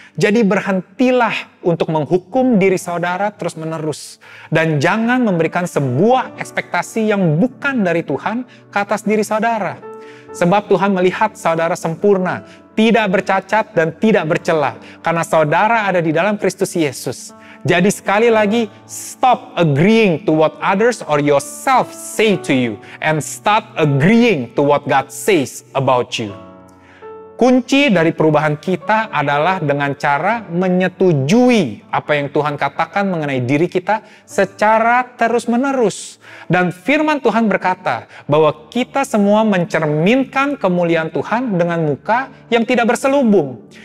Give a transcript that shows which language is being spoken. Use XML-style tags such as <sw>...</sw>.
<id>Jadi berhentilah untuk menghukum diri saudara terus-menerus. Dan jangan memberikan sebuah ekspektasi yang bukan dari Tuhan ke atas diri saudara. Sebab Tuhan melihat saudara sempurna, tidak bercacat dan tidak bercela, karena saudara ada di dalam Kristus Yesus. Jadi sekali lagi,</id> <en>stop agreeing to what others or yourself say to you and start agreeing to what God says about you.</en> <id>Kunci dari perubahan kita adalah dengan cara menyetujui apa yang Tuhan katakan mengenai diri kita secara terus-menerus. Dan firman Tuhan berkata bahwa kita semua mencerminkan kemuliaan Tuhan dengan muka yang tidak berselubung.</id>